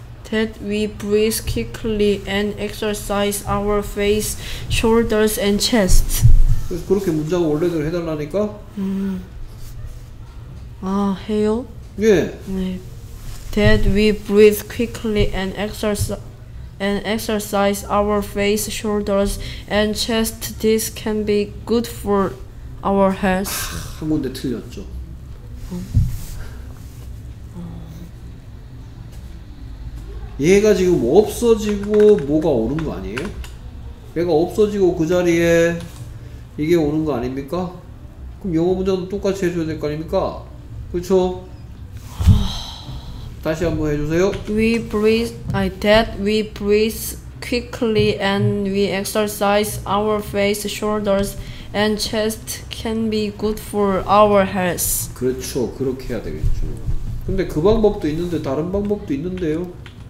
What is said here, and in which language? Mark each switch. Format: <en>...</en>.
<en>That we breathe quickly and exercise our face, shoulders, and chest.</en> <ko>그래서 그렇게 문장을 원래대로 해달라니까? 아, 해요? 예. 네.</ko> <en>That we breathe quickly and exercise our face, shoulders, and chest. This can be good for our health.</en> <ko>한 군데 틀렸죠. 얘가 지금 없어지고 뭐가 오는 거 아니에요? 얘가 없어지고 그 자리에 이게 오는 거 아닙니까? 그럼 영어 문장도 똑같이 해줘야 될 거 아닙니까? 그쵸? 다시 한번 해주세요.</ko> <en>We breathe, that we breathe quickly and we exercise our face, shoulders, and chest can be good for our health.</en> <ko>그렇죠. 그렇게 해야 되겠죠. 근데 그 방법도 있는데 다른 방법도 있는데요.</ko>